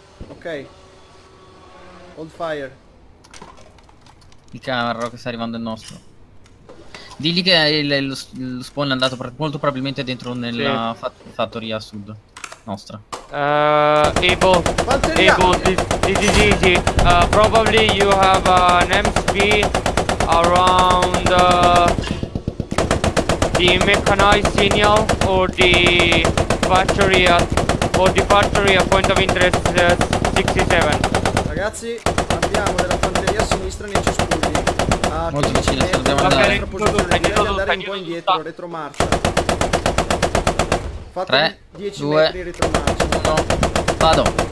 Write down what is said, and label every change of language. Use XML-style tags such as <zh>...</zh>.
<en>Ok. Hold fire.</en> <it>Il carro che sta arrivando il nostro. Digli che lo spawn è andato molto probabilmente dentro nella fattoria sud nostra. Evo, Evo, di.</it> <en>Probably you have an MP around the mechanized signal or the factory at point of interest 67.</en> <it>Ragazzi, abbiamo della fanteria a sinistra nei cespugli. Molto vicino, se dobbiamo andare. Andare un po' indietro, retromarcia. 3, 10 2, metri retromarcia. 1, vado.</it>